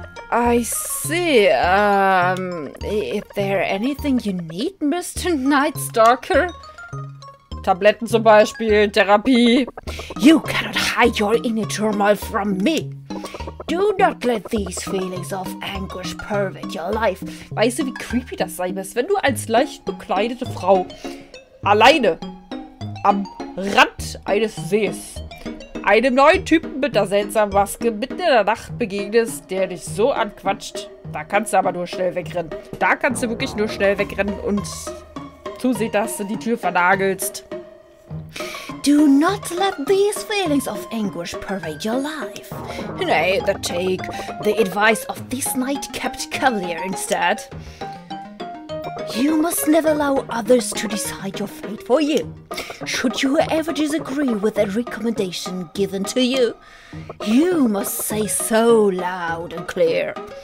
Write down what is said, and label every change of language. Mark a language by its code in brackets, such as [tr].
[en] I see. Is there anything you need, Mr. Night Stalker? [de] Tabletten zum Beispiel, Therapie. [en] You cannot hide your inner turmoil from me. Do not let these feelings of anguish pervade your life. [de] Weißt du, wie creepy das sein muss, wenn du als leicht bekleidete Frau alleine am Rand eines Sees einem neuen Typen mit der seltsamen Maske mitten in der Nacht begegnest, der dich so anquatscht. Da kannst du aber nur schnell wegrennen. Da kannst du wirklich nur schnell wegrennen und zusehen, dass du die Tür vernagelst. [en] Do not let these feelings of anguish pervade your life. Nay, then take the advice of this night-capped cavalier instead. You must never allow others to decide your fate for you. Should you ever disagree with a recommendation given to you, you must say so loud and clear.